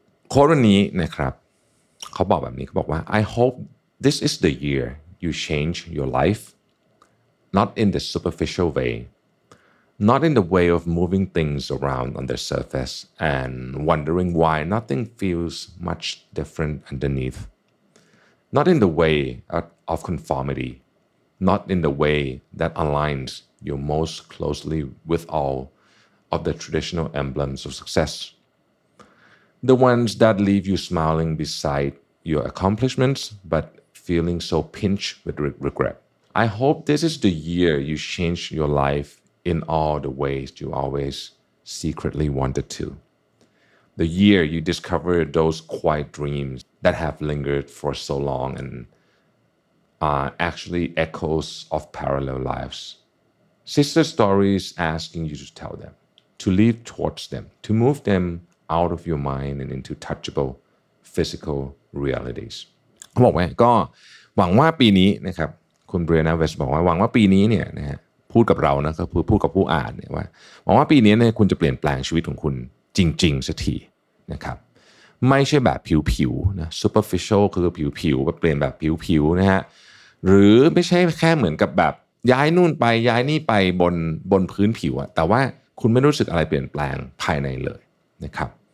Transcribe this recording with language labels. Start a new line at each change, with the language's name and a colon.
Thai: โค้ดวันนี้นะครับเขาบอกแบบนี้เขาบอกว่า
English: I hope this is the yearYou change your life, not in the superficial way, not in the way of moving things around on the surface and wondering why nothing feels much different underneath, not in the way of conformity, not in the way that aligns you most closely with all of the traditional emblems of success. The ones that leave you smiling beside your accomplishments, butfeeling so pinched with regret. I hope this is the year you change your life in all the ways you always secretly wanted to. The year you discover those quiet dreams that have lingered for so long and are actually echoes of parallel lives. Sister stories asking you to tell them, to live towards them, to move them out of your mind and into touchable physical realities.
Thai: เขาบอกว่าก็หวังว่าปีนี้นะครับคุณเบรียนเวสบอกว่าหวังว่าปีนี้เนี่ยนะฮะพูดกับเรานะก็พูดกับผู้อ่านเนี่ยว่าหวังว่าปีนี้เนี่ยคุณจะเปลี่ยนแปลงชีวิตของคุณจริงๆสักทีนะครับไม่ใช่แบบผิวๆนะ superficial คือผิวๆแบบเปลี่ยนแบบผิวๆนะฮะหรือไม่ใช่แค่เหมือนกับแบบย้ายนู่นไปย้ายนี่ไปบนพื้นผิวอะแต่ว่าคุณไม่รู้สึกอะไรเปลี่ยนแปลงภายในเลยนะครับ